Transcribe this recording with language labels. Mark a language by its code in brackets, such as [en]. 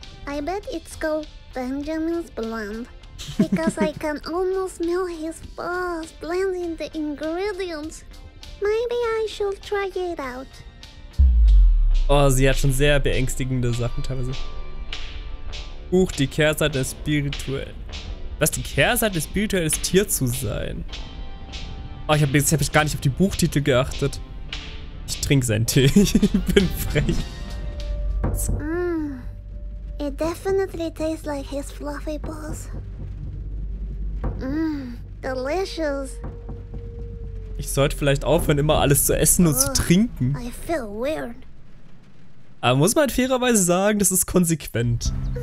[en] I bet it's called Benjamin's Blend. Because I can almost smell his boss blending the ingredients. Maybe I should try it out. [de] Oh, sie hat schon sehr beängstigende Sachen teilweise. Huch, die Kehrseite ist spirituell. Was, die Kehrseite ist spirituelles Tier zu sein? Oh, ich habe jetzt hab ich gar nicht auf die Buchtitel geachtet. Ich trinke seinen Tee. Ich bin frech. [en] It definitely tastes like his fluffy balls. Delicious. [de] Ich sollte vielleicht aufhören, immer alles zu essen und zu trinken. [en] I feel weird. [de] Aber muss man fairerweise sagen, das ist konsequent.